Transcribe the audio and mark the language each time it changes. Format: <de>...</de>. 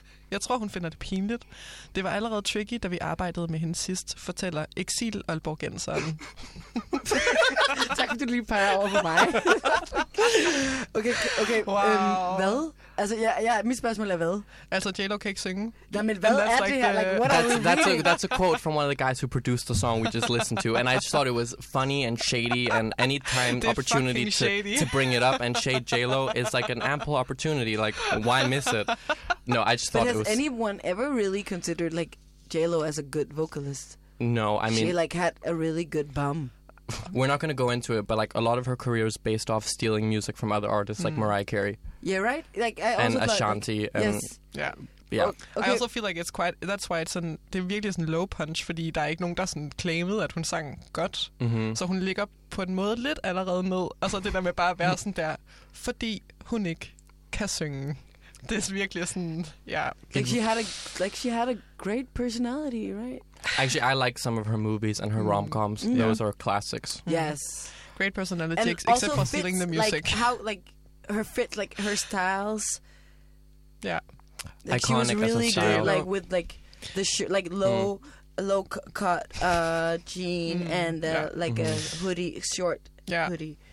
<da>Jeg tror, hun finder det pinligt. Det var allerede tricky, da vi arbejdede med hende sidst, fortæller Exil Aalborgenseren. Tak, fordi du lige peger over på mig. Okay. Wow. Hvad? Altså, mit spørgsmål er hvad? Altså, J-Lo kan ikke synge. Nej, men hvad er det her?</da> <en>Like, what are we doing? That's a quote from one of the guys who produced the song we just listened to, and I just thought it was funny and shady, and any time opportunity to bring it up and shade J-Lo is like an ample opportunity. Like, why miss it? No, I just thought it was... But has anyone ever really considered, like, J-Lo as a good vocalist? No, I mean... She, like, had a really good bum. We're not going to go into it, but, like, a lot of her career is based off stealing music from other artists, like Mariah Carey. Yeah, right? Like, I also and thought, Ashanti. Like, and, yes. Yeah. Yeah. Well, okay. I also feel like it's quite... That's why it's</en> <da>det er virkelig sådan low punch, fordi der er ikke nogen, der sådan claimet, at hun sang godt. Mm-hmm. Så hun ligger på en måde lidt allerede ned, og så det der med bare at være sådan der, fordi hun ikke kan synge. Det er virkelig sådan, ja.</da> <en>Like she had a great personality, right? Actually, I like some of her movies and her rom-coms. Yeah. Those are classics. Yes. Great personality, except for stealing the music. Like how, like, her fit, like, her styles. Yeah. Like, iconic as a style. She was really good, like, with, like, the shirt, like, low-cut jean and, like, a hoodie, short hoodie.</en>